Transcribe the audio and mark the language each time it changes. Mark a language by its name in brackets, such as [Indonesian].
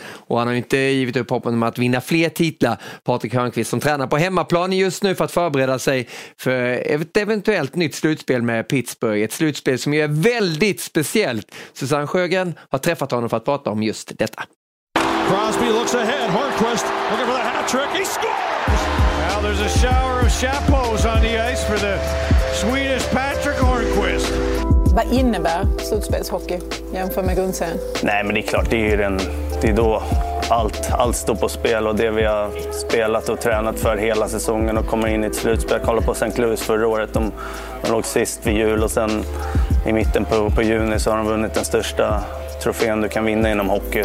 [Swedish] Och han har inte givit upp hoppen om att vinna fler titlar. Patrik Hörnqvist, som tränar på hemmaplan just nu för att förbereda sig för ett eventuellt nytt slutspel med Pittsburgh. Ett slutspel som är väldigt speciellt. Susanne Sjögren har träffat honom för att prata om just detta. [English] Crosby looks ahead. Hornquist looking for the hat trick. He scores! Now there's a shower of chapeaus on the ice for the Swedish Patrick Hornquist. [Swedish] Vad innebär slutspelshockey jämfört med grundserien? Nej, men det är klart, det är då allt står på spel och det vi har spelat och tränat för hela säsongen och kommer in i ett slutspel. Jag kollade på St. Louis förra året, de låg sist vid jul och sen i mitten på juni så har de vunnit den största trofén du kan vinna inom hockey.